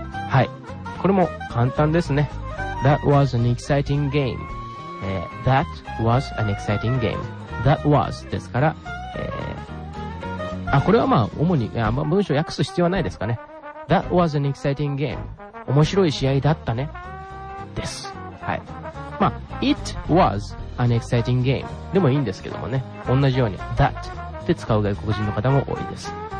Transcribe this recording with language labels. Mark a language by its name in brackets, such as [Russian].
[Japanese] はい、これも簡単ですね。 [English] That was an exciting game、That was an exciting game。 [Japanese] That was ですから、あ、これはまあ主に、あ、まあ、文章訳す必要はないですかね。 [English] That was an exciting game、 [Japanese] 面白い試合だったねです。はい、まあ [English] It was an exciting game [Japanese] でもいいんですけどもね、同じように That って使う外国人の方も多いです。